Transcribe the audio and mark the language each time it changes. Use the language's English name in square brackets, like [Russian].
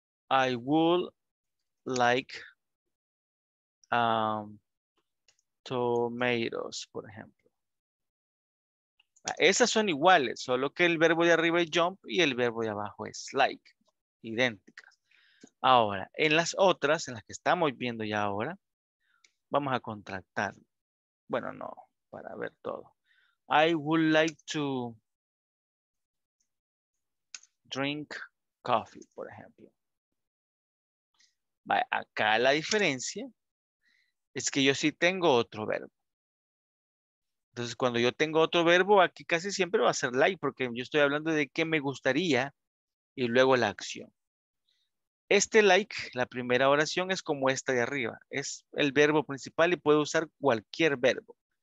[English] I would like tomatoes, [Spanish] por ejemplo. Esas son iguales, solo que el verbo de arriba es jump y el verbo de abajo es like. Idénticas. Ahora, en las otras, en las que estamos viendo ya ahora, vamos a contractar. Bueno, no, para ver todo. [English] I would like to drink coffee, [Spanish] por ejemplo. Vale, acá la diferencia es que yo sí tengo otro verbo. Entonces, cuando yo tengo otro verbo, aquí casi siempre va a ser like, porque yo estoy hablando de qué me gustaría y luego la acción. Este like, la primera oración, es como esta de arriba. Es el verbo principal y puedo usar cualquier verbo.